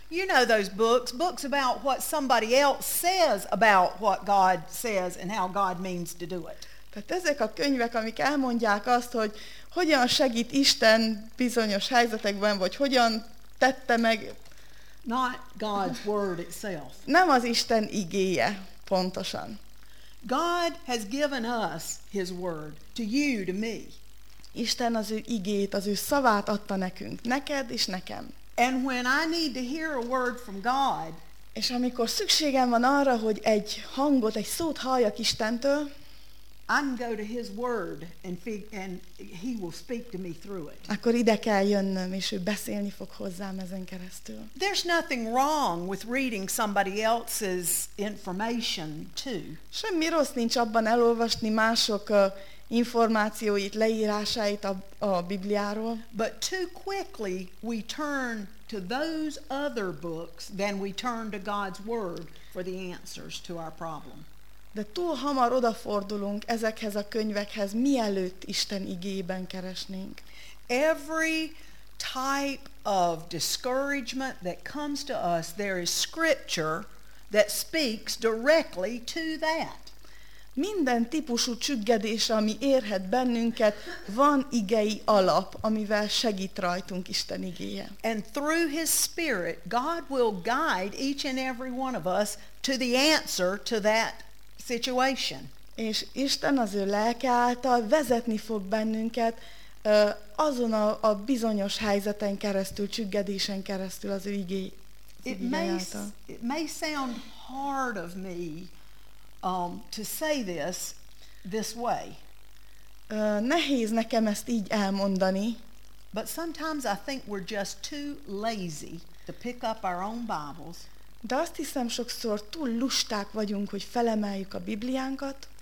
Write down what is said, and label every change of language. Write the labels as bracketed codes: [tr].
[en] You know those books, books about what somebody else says about what God says and how God means to do it. [hu] Tehát ezek a könyvek, amik elmondják azt, hogy hogyan segít Isten bizonyos helyzetekben, vagy hogyan tette meg. [en] Not God's word itself. [hu] Nem az Isten igéje, pontosan. [en] God has given us his word, to you, to me. [hu] Isten az ő igét, az ő szavát adta nekünk, neked és nekem. [en] And when I need to hear a word from God, [hu] és amikor szükségem van arra, hogy egy hangot, egy szót halljak Istentől, [en] I can go to his word and he will speak to me through it. [hu] Akkor ide kell jönnöm, és ő beszélni fog hozzám ezen keresztül. [en] There's nothing wrong with reading somebody else's information too. [hu] Semmi rossz nincs abban elolvasni mások információit, leírásait a Bibliáról. [en] But too quickly we turn to those other books than we turn to God's word for the answers to our problem. [hu] De túl hamar odafordulunk ezekhez a könyvekhez, mielőtt Isten igében keresnénk. [en] Every type of discouragement that comes to us, there is scripture that speaks directly to that. [hu] Minden típusú csüggedés, ami érhet bennünket, van igei alap, amivel segít rajtunk Isten igéje. [en] And through his spirit, God will guide each and every one of us to the answer to that situation. [hu] És Isten az ő lelke által vezetni fog bennünket azon a bizonyos helyzeten keresztül, csüggedésen keresztül az ő igéje által. [en] It may sound hard of me to say this way. [hu] Nehéz nekem ezt így elmondani. [en] But sometimes I think we're just too lazy to pick up our own Bibles. [hu] De azt hiszem, sokszor túl lusták vagyunk, hogy felemeljük a Bibliánkat,